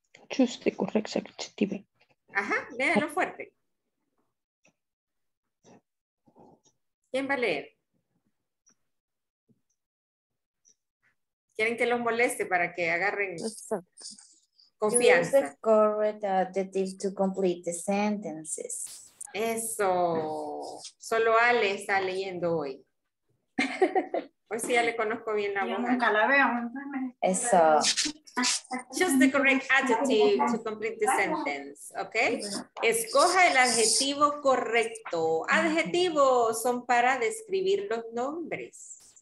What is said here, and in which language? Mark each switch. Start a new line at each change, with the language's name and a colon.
English: Choose the correct adjective.
Spanish: Ajá, léalo fuerte. ¿Quién va a leer? ¿Quieren que los moleste para que agarren confianza?
English: Choose the correct adjective to complete the sentences.
Spanish: Eso. Solo Ale está leyendo hoy. Pues sí, ya le conozco bien la voz. Yo nunca la veo. Eso.
English: Choose the correct adjective to complete the sentence, ¿ok?
Spanish: Escoja el adjetivo correcto. Adjetivos son para describir los nombres.